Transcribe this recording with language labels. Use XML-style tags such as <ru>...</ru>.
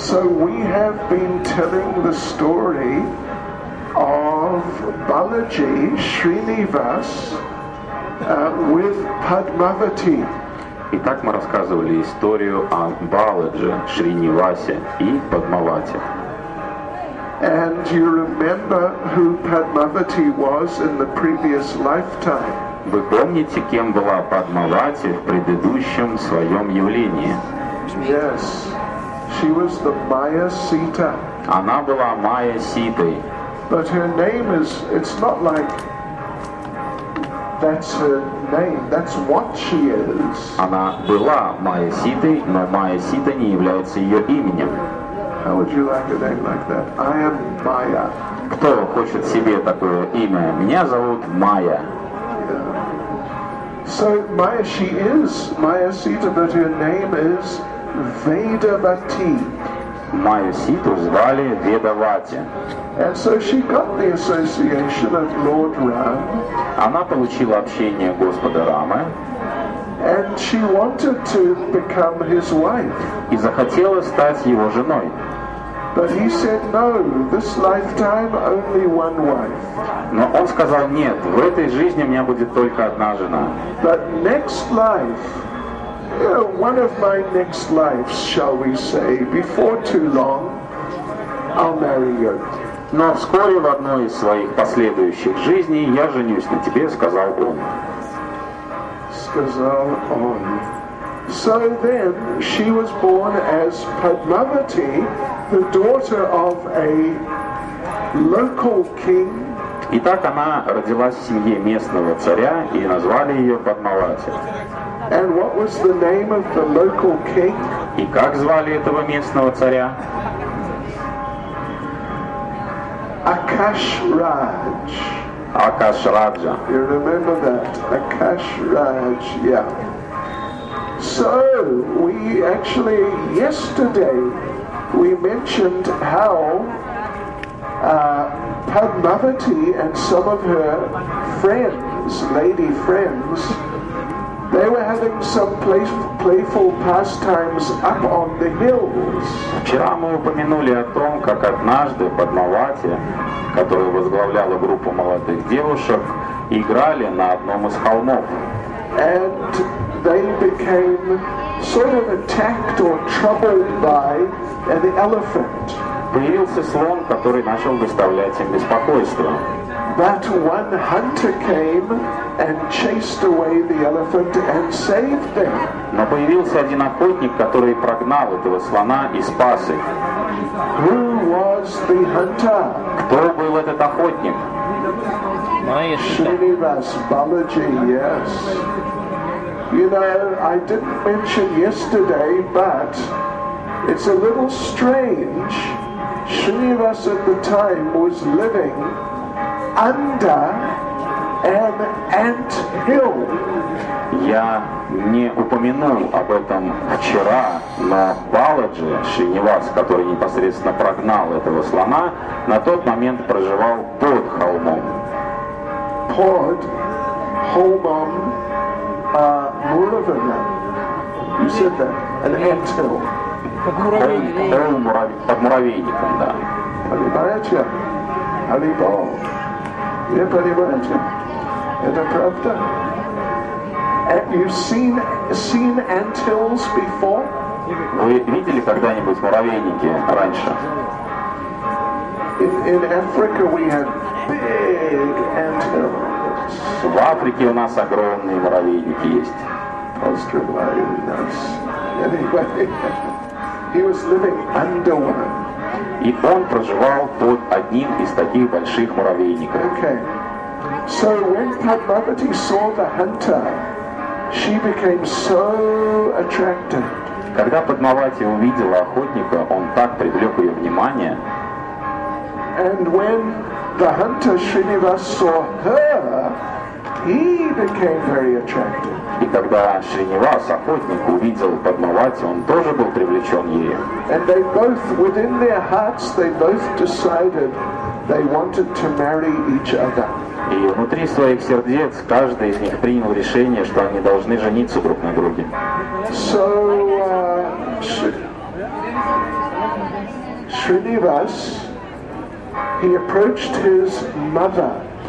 <en>So we have been telling the story of Balaji Srinivas with Padmavati.</en> <ru>Итак, мы рассказывали историю о Баладже Шринивасе и Падмавати.</ru> <en>And you remember who Padmavati was in the previous lifetime?</en> <ru>Вы помните, кем была Падмавати в предыдущем своем явлении?</ru> <en>Yes, she was the Maya Sita.</en> <ru>Она была Майя Ситой.</ru> <en>But her name is—it's not like that's her name. That's what she is.</en> <ru>Она была Майя Ситой, но Майя Сита не является ее именем.</ru> <en>How would you like a name like that? I am Maya.</en> <ru>Кто хочет себе такое имя? Меня зовут Майя.</ru> <en>So Maya, she is Maya Sita, but her name is Vedavati.</en> <ru>Maya Sita звали Vedavati.</ru> <en>And so she got the association of Lord Ram.</en> <ru>Она получила общение Господа Рамы.</ru> <en>And she wanted to become his wife.</en> <ru>И захотела стать его женой.</ru> <en>But he said no. This lifetime only one wife.</en> <ru>Но он сказал нет. В этой жизни у меня будет только одна жена.</ru> <en>But next life, one of my next lives, shall we say, before too long, I'll marry you.</en> <ru>Но вскоре в одной из своих последующих жизней я женюсь на тебе, сказал он. Сказал он.</ru> <en>So then she was born as Padmavati, the daughter of a local king.</en> <ru>Итак, она родилась в семье местного царя и назвали ее Падмавати.</ru> <en>And what was the name of the local king?</en> <ru>И как звали этого местного царя?</ru> <en>Akashraj. Akashraja. You remember that? Akashraj, yeah. So, we actually, yesterday, we mentioned how Padmavati and some of her friends, lady friends, they were having some playful pastimes up on the hills.</en> <ru>Вчера мы упомянули о том, как однажды Падмавати, которая возглавляла группу молодых девушек, играли на одном из холмов.</ru> <en>And they became sort of attacked or troubled by an elephant.</en> <ru>Появился слон, который начал доставлять им беспокойство.</ru> <en>But one hunter came and chased away the elephant and saved them.</en> <ru>Но появился один охотник, который прогнал этого слона и спас их.</ru> <en>Who was the hunter?</en> <ru>Кто был этот охотник?</ru> <en>Shrinivas Balaji, yes. You know, I didn't mention yesterday, but it's a little strange. Shrinivas at the time was living under an ant hill.</en> <ru>Я не упомянул об этом вчера, но Баладжи Шринивас, который непосредственно прогнал этого слона, на тот момент проживал под холмом. Под холмом Муравана.</ru> <en>You said that, an ant hill.</en> <ru>Под муравейником, да. Понимаете? Алибол. Не понимаете? Это правда?</ru> <en>You've seen ant hills before?</en> <ru>Вы видели когда-нибудь муравейники раньше?</ru> <en>In Africa we have big ant hills.</en> <ru>В Африке у нас огромные муравейники есть.</ru> <en>Anyway, he was living under one.</en> <ru>И он проживал под одним из таких больших муравейников.</ru> <en>Okay. So when Padmavati saw the hunter, she became so attracted.</en> <ru>Когда Падмавати увидела охотника, он так привлек ее внимание.</ru> <en>And when the hunter Shrinivas saw her, he became very attracted.</en> <ru>И когда Шринивас, охотник, увидел Падмавати, он тоже был привлечен ею.</ru> <en>And they both, within their hearts, they both decided they wanted to marry each other.</en> <ru>И внутри своих сердец каждый из них принял решение, что они должны жениться друг на друге.</ru> <en>So, Shrinivas, he approached his mother.</en>